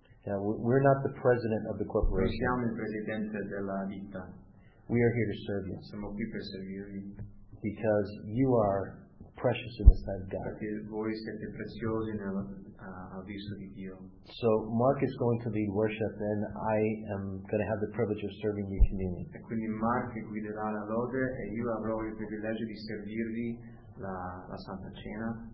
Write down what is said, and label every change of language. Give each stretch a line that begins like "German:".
English: Yeah, we're not the president of the corporation.
Italian: Noi siamo il presidente della ditta.
English: We are here to serve you.
Italian: Siamo qui per servirvi.
English: Because you are precious in the sight of God.
Italian: Perché voi siete preziosi nella visto di Dio.
English: So Mark is going to lead worship, and I am going to have the privilege of serving you communion.
Italian: E quindi Mark guiderà la lode, e io avrò il privilegio di servirvi la Santa Cena.